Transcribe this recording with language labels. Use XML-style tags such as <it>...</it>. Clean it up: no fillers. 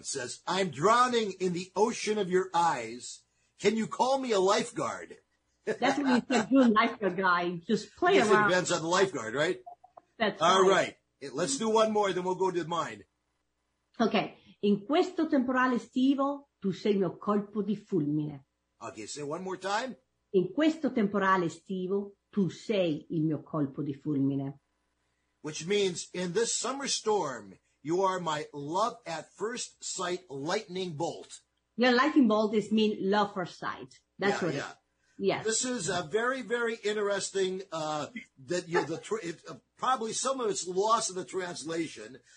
<en>It says, I'm drowning in the ocean of your eyes. Can you call me a lifeguard? That's what you said, you're a lifeguard guy. Just play around. It depends on the lifeguard, right? That's all right. Let's do one more, then we'll go to mine. Okay.</en> <it>In questo temporale estivo, tu sei mio colpo di fulmine.</it> <en>Okay, say one more time.</en> <it>In questo temporale estivo, tu sei il mio colpo di fulmine.</it> <en>Which means, in this summer storm, you are my love at first sight lightning bolt. Yeah, lightning bolt is mean love first sight. That's what it is. Yes. This is a very, very interesting, that you know, probably some of it's lost in the translation.</en>